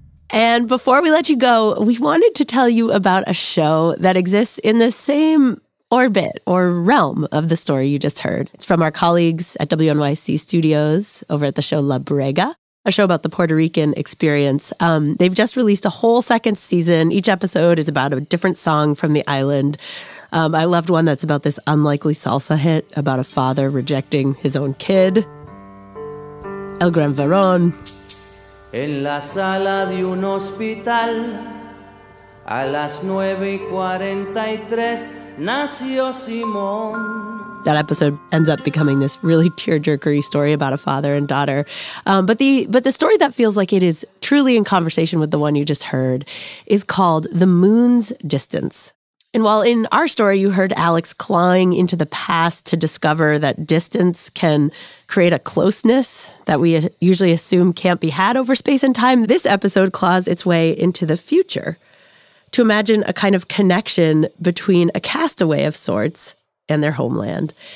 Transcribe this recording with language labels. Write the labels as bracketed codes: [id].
[en] And before we let you go, we wanted to tell you about a show that exists in the same orbit or realm of the story you just heard. It's from our colleagues at WNYC Studios over at the show La Brega. a show about the Puerto Rican experience. They've just released a whole second season. Each episode is about a different song from the island. I loved one that's about this unlikely salsa hit about a father rejecting his own kid. [es] El Gran Varón. En la sala de un hospital a las 9:43 nació Simón. [en] That episode ends up becoming this really tearjerkery story about a father and daughter. But the story that feels like it is truly in conversation with the one you just heard is called The Moon's Distance. And while in our story you heard Alex clawing into the past to discover that distance can create a closeness that we usually assume can't be had over space and time, this episode claws its way into the future to imagine a kind of connection between a castaway of sorts and their homeland.